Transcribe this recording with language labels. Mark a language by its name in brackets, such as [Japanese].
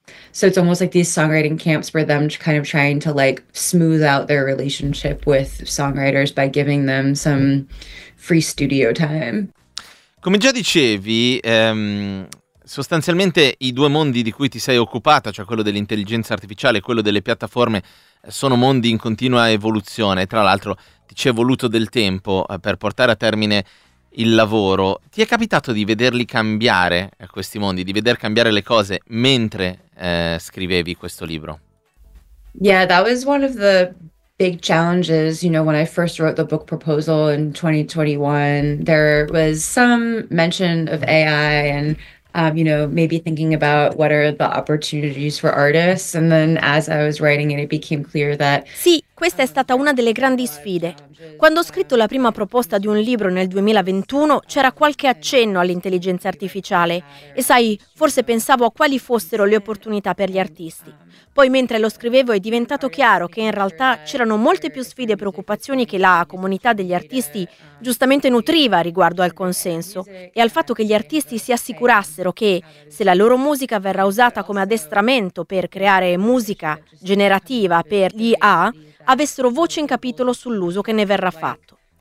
[English] So it's almost like these songwriting camps for them kind of trying to like smooth out their relationship with songwriters by giving them some free studio time. [Italian] Come già dicevi, sostanzialmente i due mondi di cui ti sei occupata, cioè quello dell'intelligenza artificiale e quello delle piattaforme, sono mondi in continua evoluzione. Tra l'altro ti ci è voluto del tempo per portare a termine il lavoro. Ti è capitato di vederli cambiare, questi mondi, di veder cambiare le cose mentre scrivevi questo libro? [English] Yeah, that was one of the big challenges. You know, when I first wrote the book proposal in 2021, there was some mention of AI and, you know, maybe thinking about what are the opportunities for artists. And then as I was writing it, it became clear that... [Italian] Sì, questa è stata una delle grandi sfide. Quando ho scritto la prima proposta di un libro nel 2021, c'era qualche accenno all'intelligenza artificiale. E sai, forse pensavo a quali fossero le opportunità per gli artisti. Poi mentre lo scrivevo è diventato chiaro che in realtà c'erano molte più sfide e preoccupazioni che la comunità degli artisti giustamente nutriva riguardo al consenso e al fatto che gli artisti si assicurassero che se la loro musica verrà usata come addestramento per creare musica generativa per l'IA, avessero voce in capitolo sull'uso che ne verrà fatto.